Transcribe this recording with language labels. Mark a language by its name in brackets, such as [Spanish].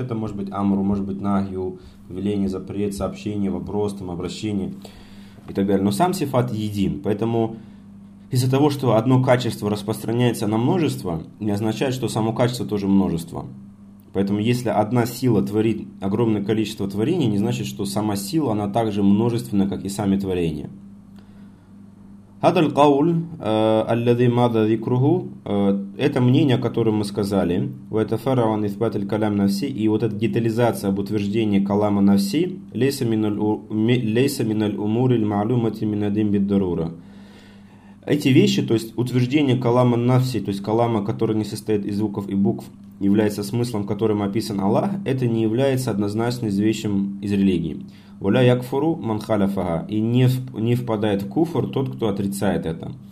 [Russian] Это может быть амру, может быть нагью, веление, запрет, сообщение, вопрос, там, обращение и так далее. Но сам сифат един, поэтому из-за того, что одно качество распространяется на множество, не означает, что само качество тоже множество. Поэтому если одна сила творит огромное количество творений, не значит, что сама сила, она также множественна, как и сами творения. [Arabic] هذا القول الذي مضى ذكره [Russian] это мнение, о котором мы сказали, это [Arabic] فرع عن إثبات الكلام نفسه, [Russian] и вот эта детализация об утверждении калама нафси [Arabic] ليس من الأمور المعلومة من الدين بالضرورة. [Russian] Эти вещи, то есть утверждение калама нафси, то есть калама, который не состоит из звуков и букв, является смыслом, которым описан Аллах, это не является однозначным вещем из религии. «Валя якфуру манхаляфага» и не впадает в куфр тот, кто отрицает это.